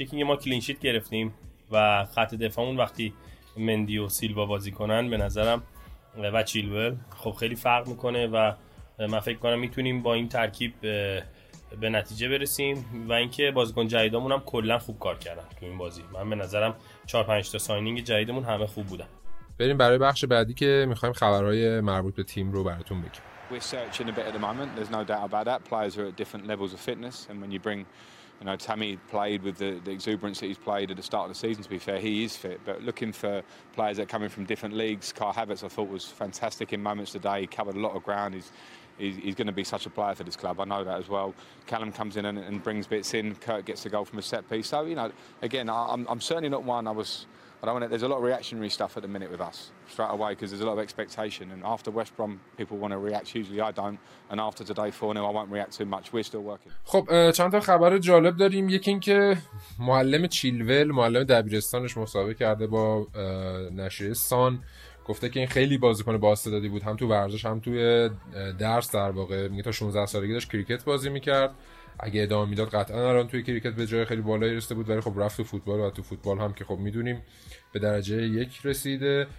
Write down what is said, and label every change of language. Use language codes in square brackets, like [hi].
[fa] یکی ما کلین شیت گرفتیم و خط دفاعمون وقتی مندی و سیلوا بازی کنن به نظرم و چیلول خب خیلی فرق میکنه و من فکر کنم میتونیم با این ترکیب به نتیجه برسیم. و اینکه بازیکن جدیدامون هم کلا خوب کار کردن تو این بازی. من به نظرم 4-5 تا ساینینگ جدیدمون همه خوب بودن. بریم برای بخش بعدی که میخوایم خبرهای مربوط به تیم رو براتون بگیم. [en] We're searching a bit at the moment. There's no doubt about that. Players are at different levels of fitness and when you bring Tammy played with the exuberance that he's played at the start of the season, to be fair, he is fit. But looking for players that are coming from different leagues, Kai Havertz I thought was fantastic in moments today. He covered a lot of ground. He's going to be such a player for this club. I know that as well. Callum comes in and brings bits in. Kurt gets the goal from a set piece. So, you know, again, I'm certainly not one. There's a lot of reactionary stuff at the minute with us straight away because there's a lot of expectation. And after West Brom, people want to react. Usually, I don't. And after today 4-0, I won't react too much. We're still working. [fa] خب چند تا خبر جالب داریم. یکی این که معلم چیلول، معلم دبیرستانش، مصاحبه کرده با نشریه سان. گفته که این خیلی بازیکن بااستعدادی بود، هم تو ورزش هم توی درس. در واقع میگه تا 16 سالگی داشت کریکت بازی میکرد. اگه ادامه میداد قطعا الان توی کریکت به جای خیلی بالایی رسیده بود، ولی خب رفت تو فوتبال و تو فوتبال هم که خب میدونیم به درجه یک رسیده.